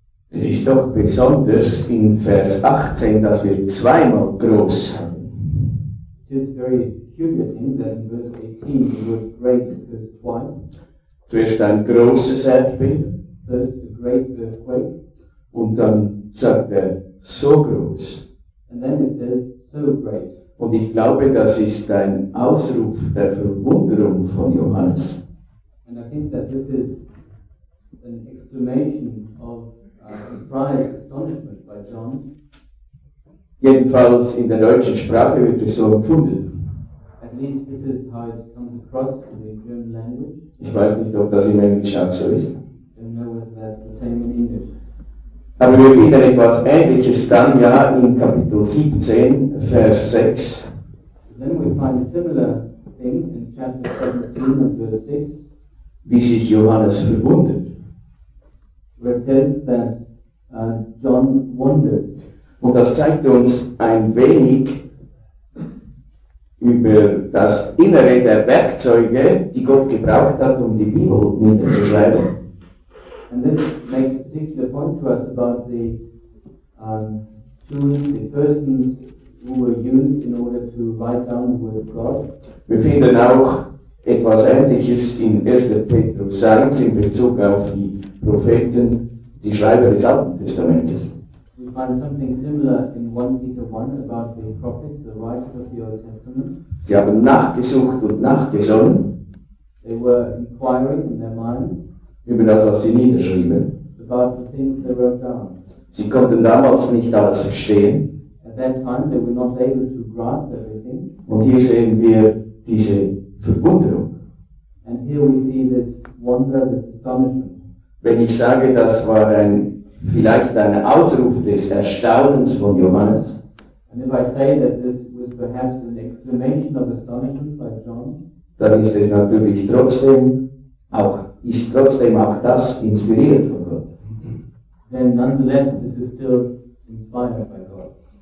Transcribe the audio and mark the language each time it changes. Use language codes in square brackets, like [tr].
[de] Es ist doch besonders in Vers 18, dass wir zweimal groß haben. [en] It is very curious thing that in verse 18 we were great because twice. [de] Zuerst ein großes Erdbeben. [en] First a great earthquake. [de] Und dann sagt er, so groß. [en] And then it says, so great. [de] Und ich glaube, das ist ein Ausruf der Verwunderung von Johannes. [en] And I think that this is an exclamation of surprise, astonishment by John. [de] Jedenfalls in der deutschen Sprache wird es so empfunden. [en] At least this is how it comes across in the German language. [de] Ich weiß nicht, ob das im Englisch auch so ist. [en] I don't know if that's the same in English. [de] Aber wir finden etwas Ähnliches dann ja in Kapitel 17, Vers 6. [en] Then we find a similar thing in chapter 17 and verse 6. [de] Wie sich Johannes verwundert. [en] Where it says that John wondered. [de] Und das zeigt uns ein wenig, über das Innere der Werkzeuge, die Gott gebraucht hat, um die Bibel niederzuschreiben. [en] And this makes a particular point to us about the tools, the persons who were used in order to write down the Word of God. [de] Wir finden auch etwas Ähnliches in 1. Petrus 1 in Bezug auf die Propheten, die Schreiber des Alten Testamentes. [en] Find something similar in 1 Peter 1 about the prophets, the writers of the Old Testament. [de] Sie haben nachgesucht und nachgesonnen. [en] They were inquiring in their minds. [de] Über das, was sie niederschrieben. [en] About the things they wrote down. [de] Sie konnten damals nicht alles verstehen. [en] At that time they were not able to grasp everything. [de] Und hier sehen wir diese Verwunderung. [en] And here we see this wonder, this astonishment. [de] Wenn ich sage, das war ein vielleicht ein Ausruf des Erstaunens von Johannes. [en] And if I say that this was perhaps an exclamation of astonishment by John, [de] dann ist es natürlich trotzdem auch das inspiriert von Gott. [en] Then nonetheless, this is still inspired by God.